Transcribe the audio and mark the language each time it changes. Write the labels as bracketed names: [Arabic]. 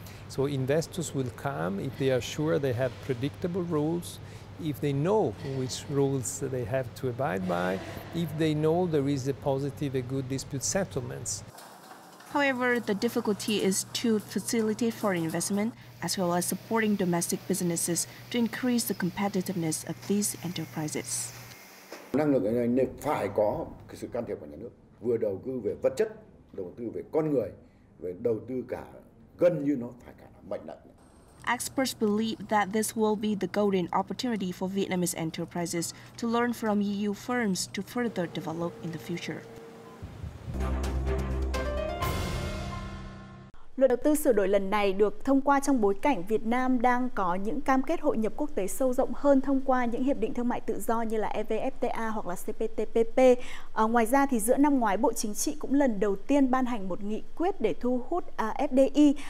[English] So investors will come if they are sure they have predictable rules, if they know which rules they have to abide by, if they know there is a positive, a good dispute settlements. However, the difficulty is to facilitate foreign investment as well as supporting domestic businesses to increase the competitiveness of these enterprises. [Vietnamese] Năng lực này phải có cái sự can thiệp của nhà nước, vừa đầu tư về vật chất, đầu tư về con người, về đầu tư cả gần như nó phải cả mạnh mẽ. [English] Experts believe that this will be the golden opportunity for Vietnamese enterprises to learn from EU firms to further develop in the future. [Vietnamese] Luật đầu tư sửa đổi lần này được thông qua trong bối cảnh Việt Nam đang có những cam kết hội nhập quốc tế sâu rộng hơn thông qua những hiệp định thương mại tự do như là EVFTA hoặc là CPTPP. Ngoài ra thì giữa năm ngoái Bộ Chính trị cũng lần đầu tiên ban hành một nghị quyết để thu hút FDI.